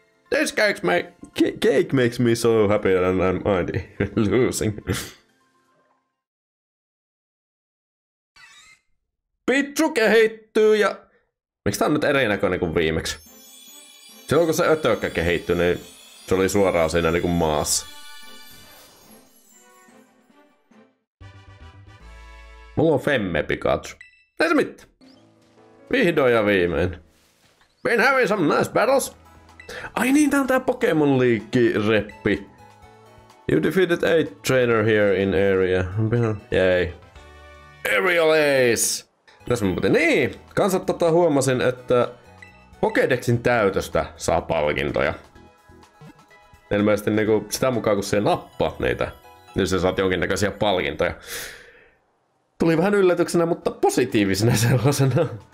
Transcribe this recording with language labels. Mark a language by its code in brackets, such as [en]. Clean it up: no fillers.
[en] This cake makes me so happy that I'm already losing. [fi] Pitsu kehittyy ja miksi tää on nyt erinäköinen kuin viimeksi? Silloin kun se ötökkä kehittyi, niin se oli suoraan siinä niinku maassa. Mulla on Femme Pikachu. Ei se mitään. Vihdoin ja viimein. [en] Been having some nice battles. [fi] Ai niin, tää on tää Pokemon League-reppi. [en] You defeated 8 trainer here in area. Yay. Aerial Ace! [fi] Tässä muuten, niin, kanssa huomasin, että Pokédexin täytöstä saa palkintoja. Ilmeisesti niin sitä mukaan, kun se nappaa niitä, niin se saat jonkinnäköisiä palkintoja. Tuli vähän yllätyksenä, mutta positiivisena sellaisena.